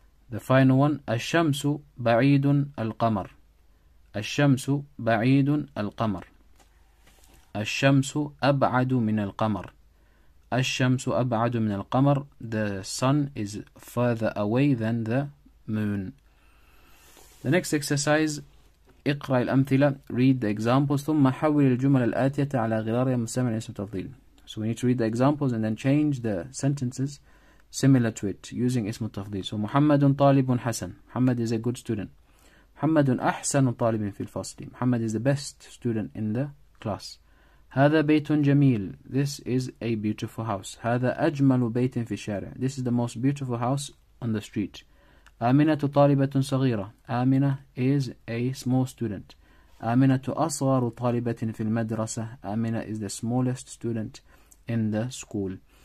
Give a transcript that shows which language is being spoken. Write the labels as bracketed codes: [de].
[ar] The final one, ash-shamsu ba'idun al-qamar. Ash-shamsu ba'idun al-qamar. Ash-shamsu ab'adu min al-qamar. الشمس أبعد من القمر. [en] The sun is further away than the moon. The next exercise, [ar] اقرأ الأمثلة. [en] Read the examples. [ar] ثم حول الجمل الآتية على غرار مستمع اسم التفضيل. [en] So we need to read the examples and then change the sentences similar to it using اسم التفضيل. [ar] So محمد طالب حسن. [en] محمد is a good student. [ar] محمد أحسن طالب في الفصل. [en] محمد is the best student in the class. [ar] هذا بيت جميل. [en] This is a beautiful house. [ar] هذا أجمل بيت في الشارع. [en] This is the most beautiful house on the street. [ar] آمنة طالبة صغيرة. [en] آمنة is a small student. [ar] آمنة أصغر طالبة في المدرسة. [en] آمنة is the smallest student in the school.